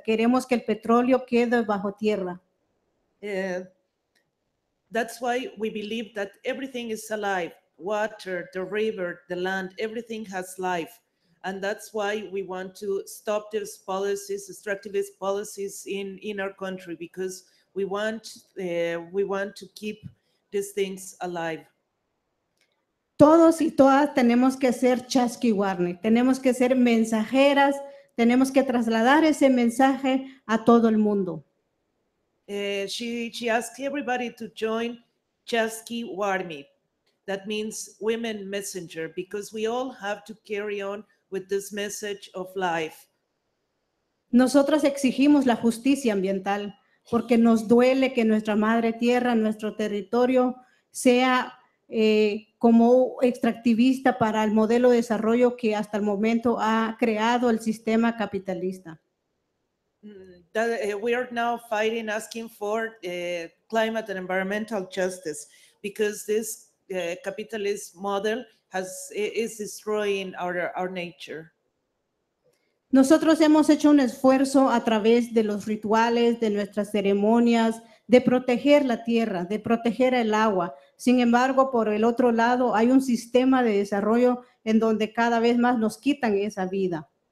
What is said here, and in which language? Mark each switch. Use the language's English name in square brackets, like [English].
[Spanish] Queremos que el petróleo quede bajo tierra. [English] That's why we believe that everything is alive. Water, the river, the land, everything has life. And that's why we want to stop these policies, extractivist policies in our country, because We want to keep these things alive. [Spanish] Todos y todas tenemos que ser Chasqui Warni. Tenemos que ser mensajeras. Tenemos que trasladar ese mensaje a todo el mundo. [English] She asked everybody to join Chasqui Warni. That means women messenger, because we all have to carry on with this message of life. [Spanish] Nosotras exigimos la justicia ambiental, porque nos duele que nuestra madre tierra, nuestro territorio, sea como extractivista para el modelo de desarrollo que hasta el momento ha creado el sistema capitalista. [English] We are now fighting, asking for climate and environmental justice, because this capitalist model is destroying our nature. [Spanish] Nosotros hemos hecho un esfuerzo a través de los rituales, de nuestras ceremonias, de proteger la tierra, de proteger el agua. Sin embargo, por el otro lado, hay un sistema de desarrollo en donde cada vez más nos quitan esa vida.